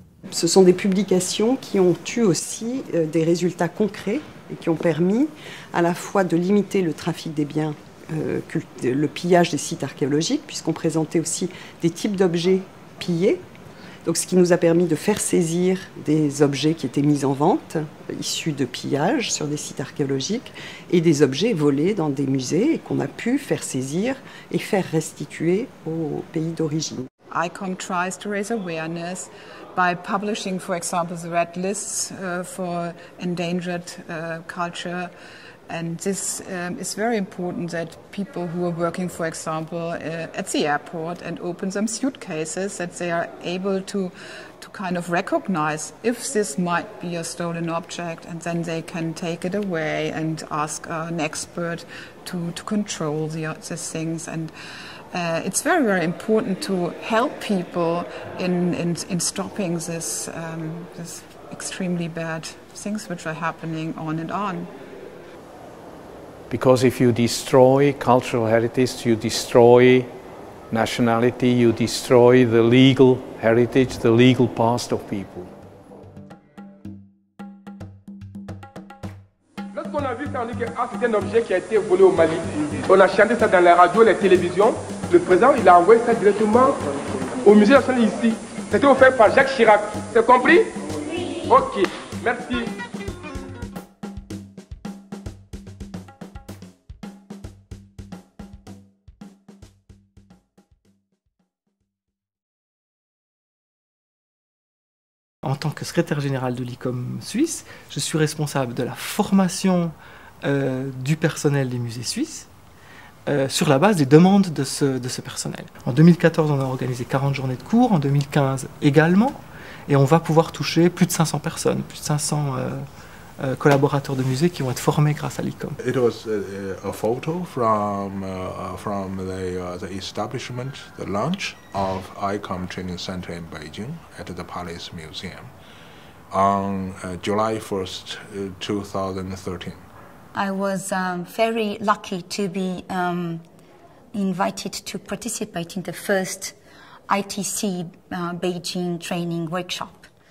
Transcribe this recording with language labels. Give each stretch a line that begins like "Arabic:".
French: Ce sont des publications qui ont eu aussi des résultats concrets et qui ont permis à la fois de limiter le trafic des biens, le pillage des sites archéologiques, puisqu'on présentait aussi des types d'objets pillés. Donc, ce qui nous a permis de faire saisir des objets qui étaient mis en vente, issus de pillages sur des sites archéologiques, et des objets volés dans des musées et qu'on a pu faire saisir et faire restituer au pays d'origine.
English: ICOM tries to raise awareness by publishing, for example, the red lists for endangered culture. And this is very important that people who are working, for example, at the airport and open them suitcases, that they are able to kind of recognize if this might be a stolen object, and then they can take it away and ask an expert to control the things. And it's very, very important to help people in stopping this extremely bad things which are happening on and on. Because if you destroy cultural heritage, you destroy nationality, you destroy the legal heritage, the legal past of people.
French: entendu que c'est un objet qui a été volé au Mali. On a chanté ça dans la radio, la télévision. Le président, il a envoyé ça directement au musée national ici. C'était offert par Jacques Chirac. C'est compris? Oui. Ok, merci. En tant que secrétaire général de l'ICOM Suisse, je suis responsable de la formation du personnel des musées suisses sur la base des demandes de ce personnel. En 2014, on a organisé 40 journées de cours, en 2015 également, et on va pouvoir toucher plus de 500 personnes, plus de 500 collaborateurs de musées qui vont être formés grâce à l'ICOM.
English: It was a photo from the establishment, the launch of ICOM Training Center in Beijing at the Palace Museum on July 1st, 2013. I was very lucky to be invited to participate in the first ITC Beijing training workshop.